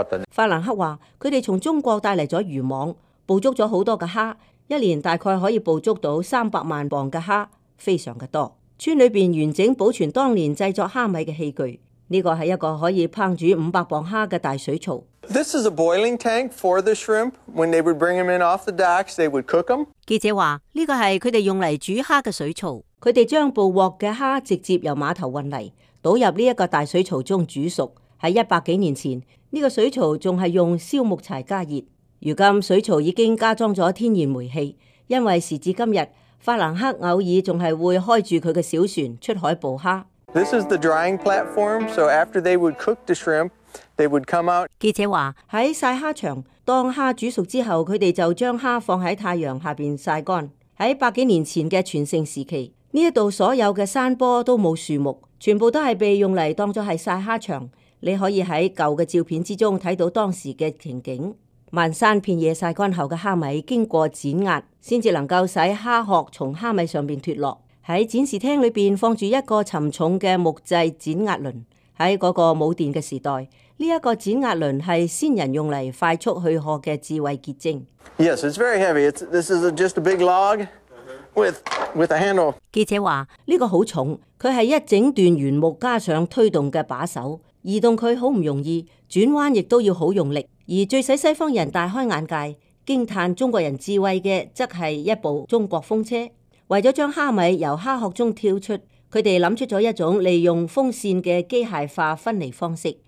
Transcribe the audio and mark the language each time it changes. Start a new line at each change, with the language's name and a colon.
Chinese: 法兰克说，他们从中国带来了渔网，捕捉了很多的虾，一年大概可以捕捉到300万磅的虾，非常的多。村里面完整保存当年制作虾米的器具，这个是一个可以烹煮500磅虾的大水槽。
English: This is a boiling tank for the shrimp. When they would bring them in off the docks, they would cook them.
Chinese: 记者说，这个是他们用来煮虾的水槽。他们将捕获的虾直接由码头运来，倒入这个大水槽中煮熟。在100多年前，这个水槽还是用烧木柴加热。如今水槽已经加装了天然煤气，因为时至今日，法兰克偶尔还是会开着他的小船出海捕虾。
English: This is the drying platform, so after they would cook the shrimp, they would come out.
Chinese: 记者说，在晒虾场，当虾煮熟之后，他们就将虾放在太阳下面晒干。在100多年前的全盛时期，这里所有的山坡都没有树木，全部都是被用来当作是晒虾场。你可以在旧的照片之中看到当时的情景。漫山遍野晒干后的虾米经过剪压，才能够使虾壳从虾米上面脱落。在展示厅里面放住一个沉重的木制剪压轮。在那个没电的时代，这个剪压轮是先人用来快速去壳的智慧结晶。
English: Yes, it's very heavy. This is just a big log with a handle.
Chinese: 记者说这个很重，它是一整段原木加上推动的把手，移动它很不容易，转弯也都要很用力。而最使西方人大开眼界惊叹中国人智慧的，则是一部中国风车。为了将虾米由虾壳中跳出，他们想出了一种利用风扇的机械化分离方式。